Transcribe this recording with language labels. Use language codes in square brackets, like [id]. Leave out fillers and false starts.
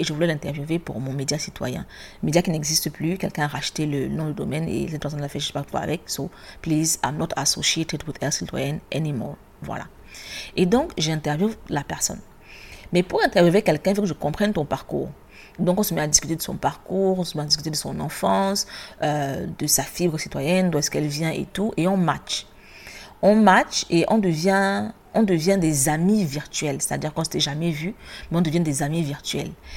[fr] Et je voulais l'interviewer pour mon média citoyen. Média qui n'existe plus, quelqu'un a racheté le nom du domaine et cette personne l'a fait, je ne sais pas quoi avec. [en] So, please, I'm not associated with Elle Citoyenne anymore. [fr] Voilà. Et donc, j'interviewe la personne. Mais pour interviewer quelqu'un, il faut que je comprenne ton parcours. Donc, on se met à discuter de son parcours, on se met à discuter de son enfance, de sa fibre citoyenne, d'où est-ce qu'elle vient et tout, et on match. On match et on devient des amis virtuels, c'est-à-dire qu'on ne s'était jamais vu, mais on devient des amis virtuels.